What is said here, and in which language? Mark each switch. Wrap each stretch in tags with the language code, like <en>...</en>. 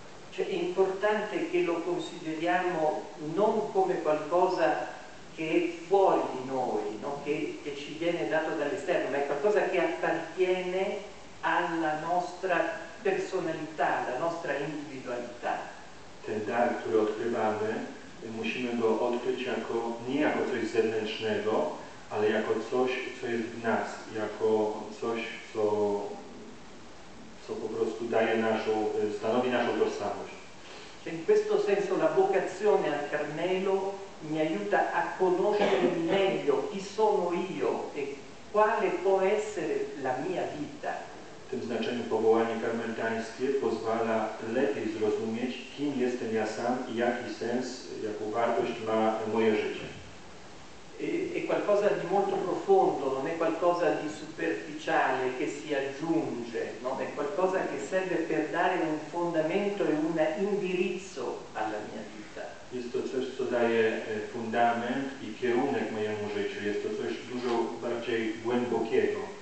<it>Cioè è importante che lo consideriamo non come qualcosa che è fuori di noi, no? che ci viene dato dall'esterno, ma è qualcosa che appartiene alla nostra personalità, alla nostra individualità.</it> <pl>Ten dar, który odkrywamy, musimy go odkryć jako, nie jako coś zewnętrznego, ale jako coś, co jest w nas, jako coś, co po prostu daje naszą, stanowi naszą tożsamość.</pl> <it>In questo senso la vocazione al Carmelo mi aiuta a conoscere meglio chi sono io e quale può essere la mia vita.</it> <pl>W tym znaczeniu powołanie karmelitańskie pozwala lepiej zrozumieć, kim jestem ja sam i jaki sens, jaką wartość ma moje życie.</pl> <it>È qualcosa di molto profondo, non è qualcosa di superficiale che si aggiunge, no? È qualcosa che serve per dare un fondamento e un indirizzo alla mia vita.</it> <pl>Jest to coś, co daje fundament i kierunek mojemu życiu. Jest to coś dużo bardziej głębokiego.</pl>